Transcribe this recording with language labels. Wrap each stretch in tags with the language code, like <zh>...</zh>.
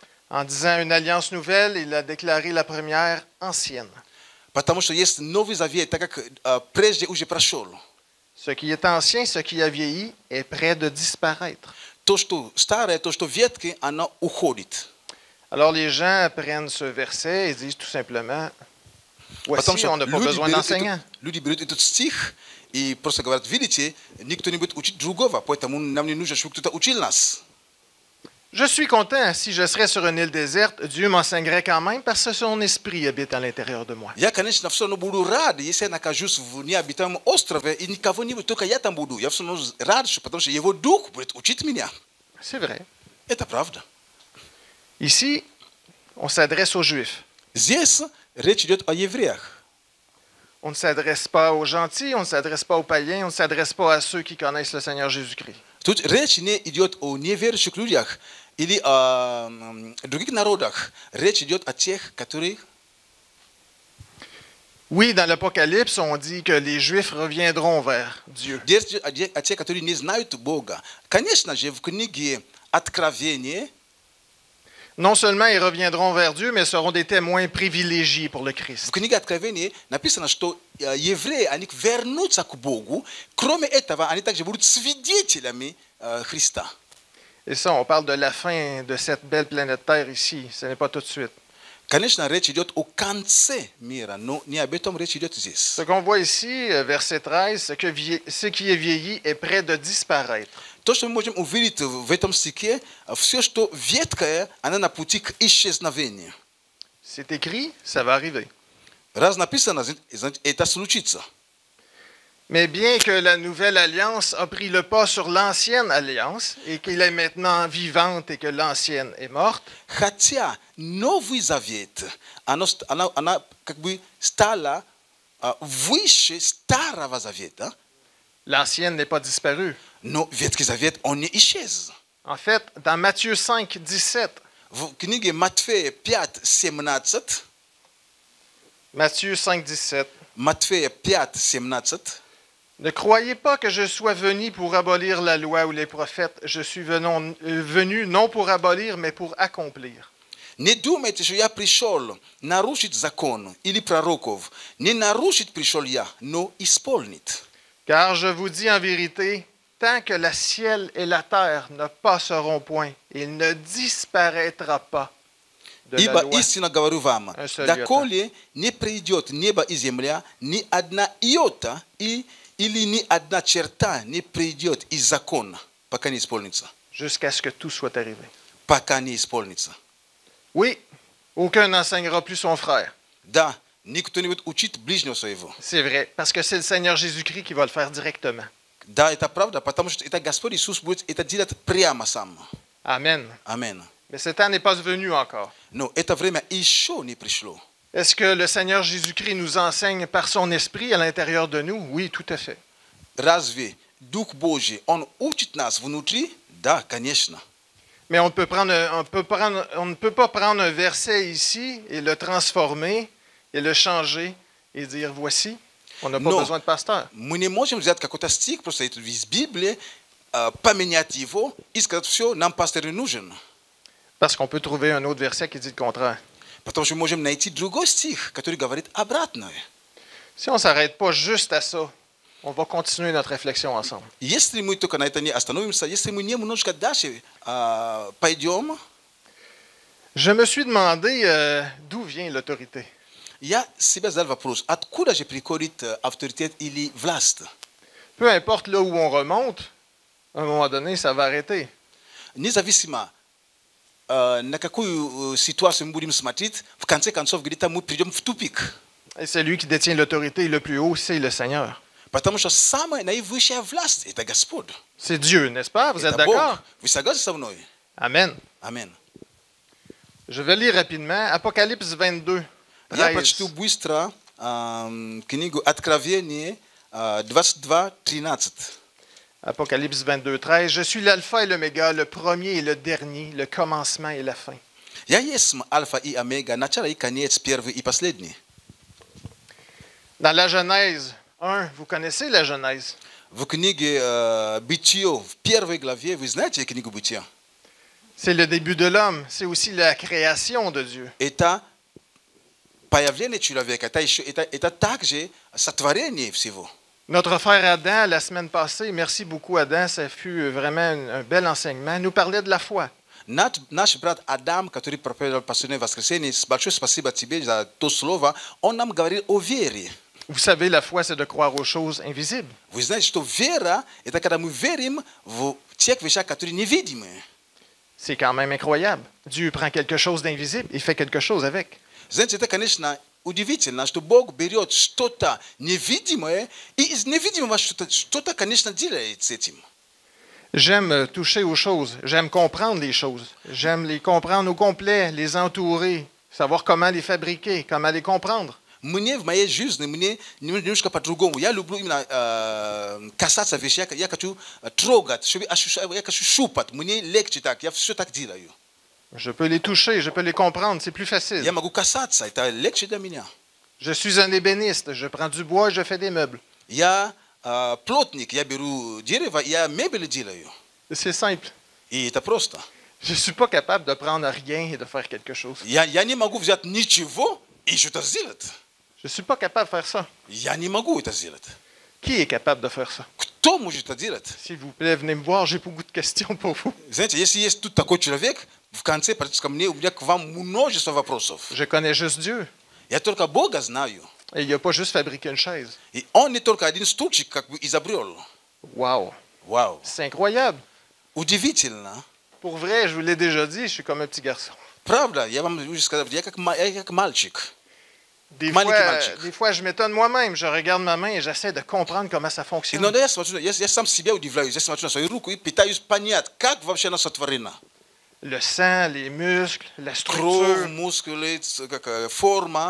<fr>En disant une alliance nouvelle, il a déclaré la première ancienne.</fr> <ru>Потому что есть новый завет, так как прежде уже прошел.</ru> <fr>Ce qui est ancien, ce qui a vieilli, est prêt de disparaître.</fr> <ru>То что старое, то что ветки, оно уходит.</ru> <fr>Alors les gens prennent ce verset et disent tout simplement, voici, on n'a pas besoin d'enseignant.</fr> <ru>Люди берут этот стих и просто говорят, видите, никто не будет учить другого, поэтому нам не нужно, чтобы кто-то учил нас.</ru> <fr>Je suis content si je serais sur une île déserte, Dieu m'enseignerait quand même parce que son esprit habite à l'intérieur de moi.</fr> <ru>Я, конечно, все равно буду рад, если я нахожусь в необитаемом острове и никого не будет, только я там буду. Я все равно рад, потому что его дух будет учить меня.</ru> <fr>C'est vrai.</fr> <ru>Это правда.</ru> <fr>Ici, on s'adresse aux Juifs.</fr> <ru>Здесь речь идет о евреях.</ru> <fr>On ne s'adresse pas aux gentils, on ne s'adresse pas aux païens, on ne s'adresse pas à ceux qui connaissent le Seigneur Jésus-Christ.</fr> <ru>Тут речь не идет о неверующих людях или о других народах. Речь идет о тех, которые...</ru> <fr>Oui, dans l'Apocalypse, on dit que les Juifs reviendront vers Dieu.</fr> <ru>Речь идет о тех, которые не знают Бога. Конечно же, в книге Откровения...</ru> <fr>Non seulement ils reviendront vers Dieu, mais seront des témoins privilégiés pour le Christ.</fr> <ru>В книге Откровения написано, что евреи, они вернутся к Богу. Кроме этого, они также будут свидетелями Христа.</ru> <fr>Et ça, on parle de la fin de cette belle planète Terre ici. Ce n'est pas tout de suite.</fr> <ru>Конечно, речь идет о конце мира, но не об этом речь идет здесь.</ru> <fr>Ce qu'on voit ici, verset 13, c'est que ce qui est vieilli est prêt de disparaître.</fr> <ru>То, что мы можем увидеть в этом стихе, все, что ветхое, оно на пути к исчезновению.</ru> <fr>C'est écrit, ça va arriver.</fr> <ru>Раз написано, это случится.</ru> <fr>Mais bien que la nouvelle alliance a pris le pas sur l'ancienne alliance et qu'elle est maintenant vivante et que l'ancienne est morte,</fr> <ru>хотя новый завет она как бы стала выше старого завета.</ru> <fr>L'ancienne n'est pas disparue.</fr> <ru>Но ветхий завет он не исчез.</ru> <fr>En fait, dans Matthieu 5, 17,</fr> <ru>книга Матфея 5, 17.</ru> <fr>Ne croyez pas que je sois venu pour abolir la loi ou les prophètes. Je suis venu non pour abolir, mais pour accomplir.</fr> <ru>Не думайте, что я пришел нарушить закон или пророков. Не нарушить пришел я, но исполнить.</ru> <fr>Car je vous dis en vérité, tant que le ciel et la terre ne passeront point, il ne disparaîtra pas de la</fr> <ru>Ибо истинно говорю вам, доколе не придет небо и земля, ни одна иота и или ни одна черта не придет из закона, пока не исполнится.</ru> <fr>Jusqu'à ce que tout soit arrivé.</fr> <ru>Пока не исполнится.</ru> <fr>Oui, aucun n'enseignera plus son frère.</fr> <ru>Да, никто не будет учить ближнего своего.</ru> <fr>C'est vrai, parce que c'est le Seigneur Jésus-Christ qui va le faire directement.</fr> <ru>Да, это правда, потому что это Господь Иисус будет это делать прямо сам.</ru> <fr>Amen.</fr> <ru>Amen.</ru> <fr>Mais ce temps n'est pas venu encore. Non,</fr> <ru>это время еще не пришло.</ru> <fr>Est-ce que le Seigneur Jésus-Christ nous enseigne par son esprit à l'intérieur de nous? Oui, tout à fait.</fr> <ru>Разве Дух Божий, он учит нас внутри? Да, конечно.</ru> <fr>Mais on ne peut pas prendre un verset ici et le transformer et le changer et dire voici, on n'a pas besoin de pasteur.</fr> <ru>Мы не можем взять какой-то стих просто из Библии, поменять его и сказать все, нам пастор не нужен.</ru> <fr>Parce qu'on peut trouver un autre verset qui dit le contraire.</fr> <ru>Потому что мы можем найти другой стих, который говорит обратное.</ru> <fr>Si on s'arrête pas juste à ça, on va continuer notre réflexion ensemble.</fr> <ru>Если мы только на это не остановимся, если мы немножко дальше пойдем,</ru> <fr>je me suis demandé d'où vient l'autorité.</fr> <ru>Я себе задал вопрос, откуда же приходит авторитет или власть?</ru> <fr>Peu importe là où on remonte, à un moment donné, ça va arrêter.</fr> <ru>Независимо на какую ситуацию мы будем смотреть, в конце концов, где-то мы придем в тупик.</ru> <fr>Et celui qui détient l'autorité le plus haut, c'est le Seigneur.</fr> <ru>Потому что самая наивысшая власть – это Господь.</ru> <fr>C'est Dieu, n'est-ce pas? Vous êtes d'accord?</fr> <ru>Вы согласны со мной?</ru> <fr>Amen.</fr> <ru>Amen.</ru> <fr>Je vais lire rapidement Apocalypse 22, 13.</fr> <ru>Я прочту быстро книгу Откровение 22, 13.</ru> <fr>Apocalypse 22, 13. Je suis l'alpha et l'oméga, le premier et le dernier, le commencement et la fin.</fr> <ru>Я есть альфа и омега, начало и конец, первый и последний.</ru> <fr>Dans la Genèse 1, vous connaissez la Genèse.</fr> <ru>В книге Бытие, в первой главе, вы знаете книгу Бытие.</ru> <fr>C'est le début de l'homme, c'est aussi la création de Dieu.</fr> <ru>Это появление человека, это также сотворение всего.</ru> <fr>Notre frère Adam, la semaine passée, merci beaucoup Adam, ça fut vraiment un bel enseignement, nous parlait de la foi.</fr> <ru>Наш брат Адам, который проповедовал последнее воскресенье, большое спасибо тебе за то слово, он нам говорил о вере.</ru> <fr>Vous savez, la foi, c'est de croire aux choses invisibles. Vous savez,</fr> <ru>что вера, это когда мы верим в тех вещах, которые невидимы.</ru> <fr>C'est quand même incroyable. Dieu prend quelque chose d'invisible et fait quelque chose avec. C'est</fr> <ru>конечно удивительно, что Бог берет что-то невидимое и из невидимого что-то, конечно, делает с этим.</ru> <fr>J'aime toucher aux choses, j'aime comprendre les choses, j'aime les comprendre au complet, les entourer, savoir comment les fabriquer, comment les comprendre.</fr> <ru>Мне в моей жизни, мне немножко по-другому. Я люблю именно касаться вещей, я хочу трогать, чтобы ощущать, я хочу щупать. Мне легче так, я все так делаю.</ru> <fr>Je peux les toucher, je peux les comprendre, c'est plus facile.</fr> <ru>Я могу касаться, это легче для меня.</ru> <fr>Je suis un ébéniste, je prends du bois, je fais des meubles.</fr> <ru>Я плотник, я беру дерево, я мебель делаю.</ru> <fr>C'est simple.</fr> <ru>И это просто.</ru> <fr>Je suis pas capable de prendre rien et de faire quelque chose.</fr> <ru>Я не могу взять ничего и что-то сделать.</ru> <fr>Je suis pas capable de faire ça.</fr> <ru>Я не могу это сделать.</ru> <fr>Qui est capable de faire ça?</fr> <ru>Кто может это делать?</ru> <fr>S'il vous plaît, venez me voir, j'ai beaucoup de questions pour vous.</fr> <ru>Знаете, если есть тут такой человек, в конце, практически ко мне, у меня к вам множество вопросов.</ru> <fr>Je connais juste Dieu.</fr> <ru>Я только Бога знаю.</ru> <fr>Et il n'a pas juste fabriqué une chaise.</fr> <ru>И он не только один стульчик, как бы изобрел. Wow. Wow.</ru> <fr>C'est incroyable.</fr> <ru>Удивительно.</ru> <fr>Pour vrai, je vous l'ai déjà dit, je suis comme un petit garçon.</fr> <ru>Правда, я вам уже сказал, я как мальчик.</ru> <fr>Des fois, je m'étonne moi-même. Je regarde ma main et j'essaie de comprendre comment ça fonctionne. Le sang, les muscles, la structure.</fr>